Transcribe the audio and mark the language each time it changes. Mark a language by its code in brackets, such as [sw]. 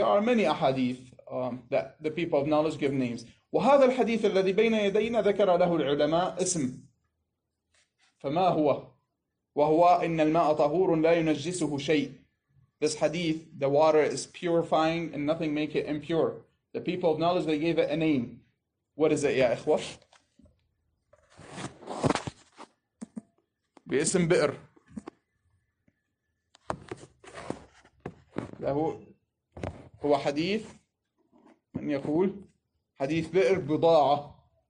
[en] There are many ahadith that the people of knowledge give names. [ar] وهذا الحديث الذي بين يدينا ذكر له العلماء اسم، فما هو؟ وهو إن الماء طهور لا ينجسه شيء. [en] This hadith, the water is purifying and nothing make it impure. The people of knowledge, they gave it a name. What is it, [ar] يا إخوة؟ باسم بئر. له هو حديث من يقول حديث بئر بضاعة.